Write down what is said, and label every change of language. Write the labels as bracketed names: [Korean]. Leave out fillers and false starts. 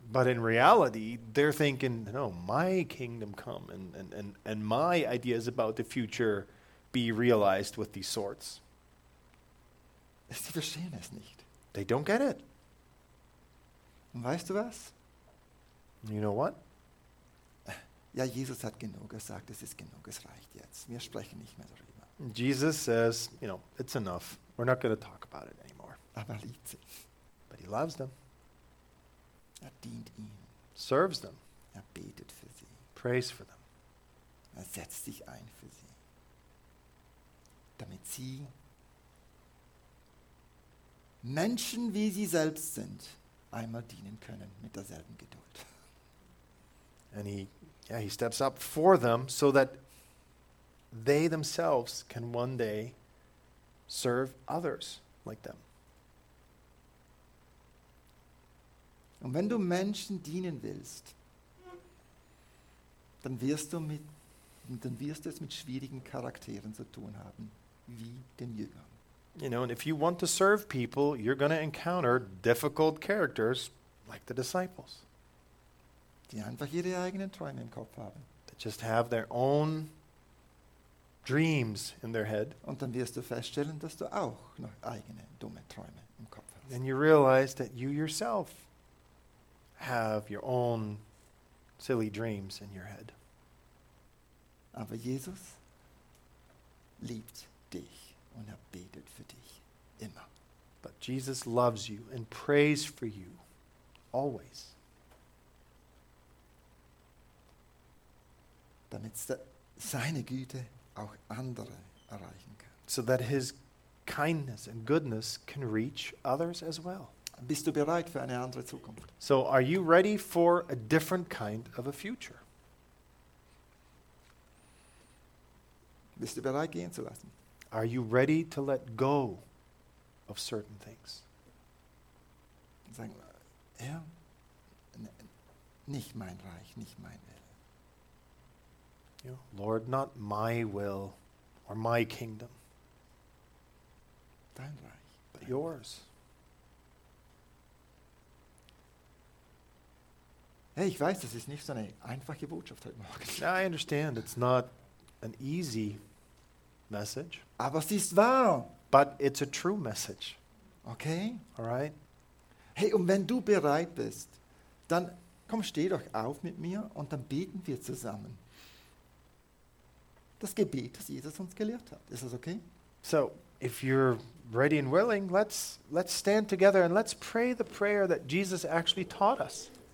[English] But in reality, they're thinking, no, my kingdom come and my ideas about the future be realized with these swords. [German] Sie verstehen es nicht. [English] They don't get it. [German] Und weißt du was? [English] You know what? [German] Ja, Jesus hat genug gesagt, es ist genug, es reicht jetzt. Wir sprechen nicht mehr darüber. [English] Jesus says, you know, it's enough. We're not going to talk about it anymore. [German] Aber er liebt sie. [English] But he loves them. [German] Er dient ihnen. [English] Serves them. [German] Er betet für sie. [English] Prays for them. [German] Er setzt sich ein für sie. Damit sie Menschen, wie sie selbst sind, einmal dienen können mit derselben Geduld. [English] And he steps up for them so that they themselves can one day serve others like them. [German] Und wenn du Menschen dienen willst, dann wirst du es mit schwierigen Charakteren zu tun haben, wie den Jüngern. [English] You know, and if you want to serve people, you're going to encounter difficult characters like the disciples. [German] Die einfach ihre eigenen Träume im Kopf haben. [English] They just have their own dreams in their head. [German] Und dann wirst du feststellen, dass du auch noch eigene dumme Träume im Kopf hast. [English] And you realize that you yourself have your own silly dreams in your head. [German] Aber Jesus liebt dich und er betet für dich immer. [English] But Jesus loves you and prays for you always. [German] Damit seine Güte auch andere erreichen kann. [English] So that his kindness and goodness can reach others as well. [German] Bist du bereit für eine andere Zukunft? [English] So are you ready for a different kind of a future? [German] Bist du bereit gehen zu lassen? [English] Are you ready to let go of certain things? [German] Sagen, ja, nicht mein Reich, nicht mein Wille. [English] You know, Lord, not my will or my kingdom. [German] Dein Reich, [English] but yours. [German] Hey, ich weiß, das ist nicht so eine einfache Botschaft heute Morgen. [English] Now, I understand, it's not an easy message. [German] Aber sie ist wahr. [English] But it's a true message. Okay. All right. [German] Hey, und wenn du bereit bist, dann komm, steh doch auf mit mir und dann beten wir zusammen. Das Gebet, das Jesus uns gelehrt hat. Ist das okay? [English] So, if you're ready and willing, let's stand together and let's pray the prayer that Jesus actually taught us.